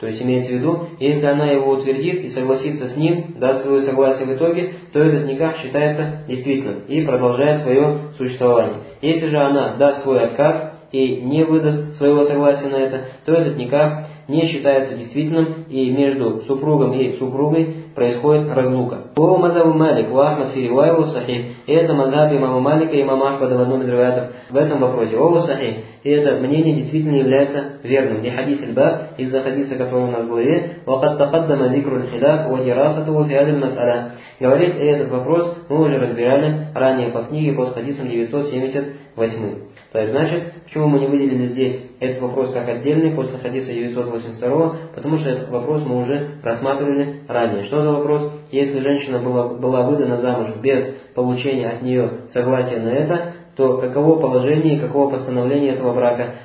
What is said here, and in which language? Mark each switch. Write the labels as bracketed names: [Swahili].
[Russian] То есть имеется в виду, если она его утвердит и согласится с ним, даст свое согласие в итоге, то этот никах считается действительным и продолжает свое существование. Если же она даст свой отказ и не выдаст своего согласия на это, то этот никах не считается действительным, и между супругом и супругой происходит разлука. [Arabic] وهو مذهب مالك وأحمد في رواية والصحيح هي مذهب إمام مالك وإمام أحمد [Russian] в одном из [Arabic] رواياتов в этом вопросе. وهو صحيح. [Russian] И это мнение действительно является верным. Не хадиса الباب из-за хадиса, который у нас в главе. [Arabic] وقد تقدم ذكر الخلاف ودراسته في هذه المسألة. [Russian] Говорит, этот вопрос мы уже разбирали ранее по книге под хадисом 978. То есть, значит, почему мы не выделили здесь этот вопрос как отдельный после хадиса 982? Потому что этот вопрос мы уже рассматривали ранее. Что за вопрос? Если женщина была выдана замуж без получения от нее согласия на это, то каково положение и каково постановление этого брака?